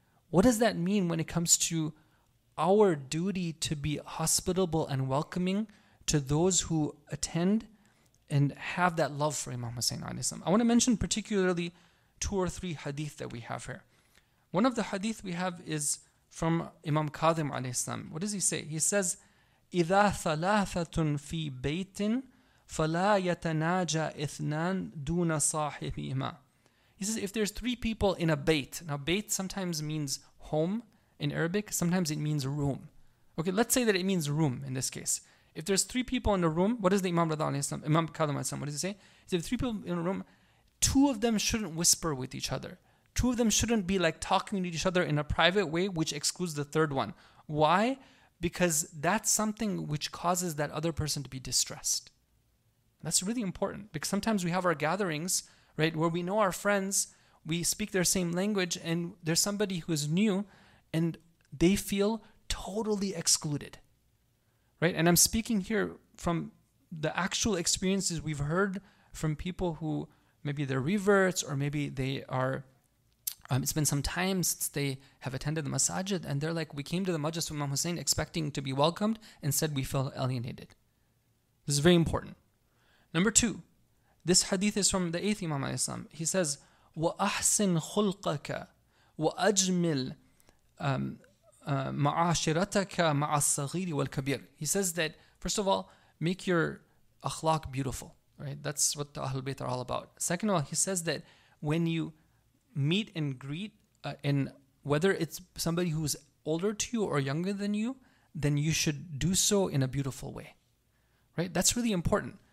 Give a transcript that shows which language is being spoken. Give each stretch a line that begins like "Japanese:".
English: What does that mean when it comes to our duty to be hospitable and welcoming to those who attend and have that love for Imam Hussein alayhi salam? I want to mention particularly two or three hadith that we have here. One of the hadith we have is from Imam Kadhim alayhi salam. What does he say? He says,
Arabic: إِذَا ثَلَاثَةٌ فِي بَيْتٍ فَلَا يَتَنَاجَى إِثْنَانْ دُونَ صَاحِبِهِمَا.
English: He says, if there's three people in a bayt. Now bayt sometimes means home in Arabic. Sometimes it means room. Okay, let's say that it means room in this case. If there's three people in the room, what does the Imam Radha alayhi salam, Imam Kadhim alayhi salam, what does he say? He says, if three people in a room, two of them shouldn't whisper with each other. Two of them shouldn't be like talking to each other in a private way, which excludes the third one. Why? Because that's something which causes that other person to be distressed. That's really important because sometimes we have our gatherings, right, where we know our friends, we speak their same language, and there's somebody who is new and they feel totally excluded. Right, and I'm speaking here from the actual experiences we've heard from people who maybe they're reverts or maybe they are It's been some time since they have attended the masajid, and they're like, we came to the majlis of Imam Hussein expecting to be welcomed. Instead, we feel alienated. This is very important. Number two, this hadith is from the 8th Imam alayhi salam. He says,
Arabic: وَأَحْسِنْ خُلْقَكَ وَأَجْمِلْ مَعَاشِرَتَكَ مَعَ الصَّغِيرِ وَالْكَبِيرِ.
English: He says that, first of all, make your akhlaq beautiful. Right? That's what the Ahlul Bayt are all about. Second of all, he says that when you meet and greet, and whether it's somebody who's older to you or younger than you, then you should do so in a beautiful way. Right? That's really important.